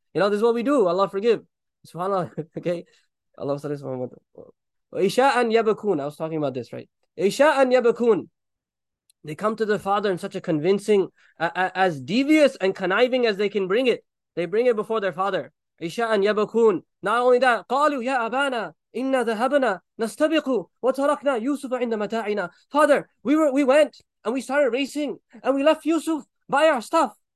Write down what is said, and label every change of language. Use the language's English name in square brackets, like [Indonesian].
[English] You know, this is what we do, Allah forgive, subhanAllah, okay? Allah salli wa sallam. Isha and Yabakun, I was talking about this, right? Isha and Yabakun, they come to the father in such a convincing, as devious and conniving as they can bring it. They bring it before their father. Isha and Yabakun, not only that, [Arabic] قَالُوا يَا أَبَانَا إِنَّا ذَهَبْنَا نَسْتَبِقُ وَتَرَكْنَا يُوسُفَ عِنْدَ مَتَاعِنَا. [English] Father, we went and we started racing and we left Yusuf by our stuff.